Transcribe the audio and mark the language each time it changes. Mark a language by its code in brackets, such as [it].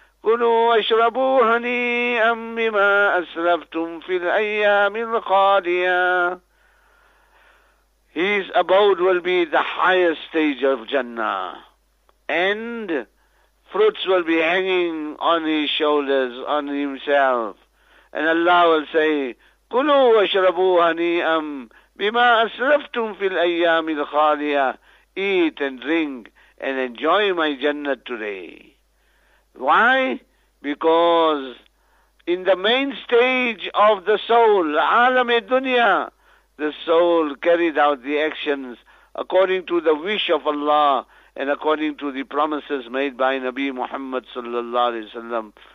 [ar] كُلُوا وَاشْرَبُوا هَنِيئًا بِمَا أَسْلَفْتُمْ فِي الْأَيَّامِ الْخَالِيَةِ. [en] His abode will be the highest stage of Jannah. And fruits will be hanging on his shoulders, on himself. And Allah will say, [ar] كُلُوا وَاشْرَبُوا هَنِيئًا بِمَا أَسْلَفْتُمْ فِي الْأَيَّامِ الْخَالِيَةِ. [en] Eat and drink and enjoy my Jannah today. Why? Because in the main stage of the soul, alam e dunya, the soul carried out the actions according to the wish of Allah and according to the promises made by Nabi Muhammad sallallahu alaihi wasallam.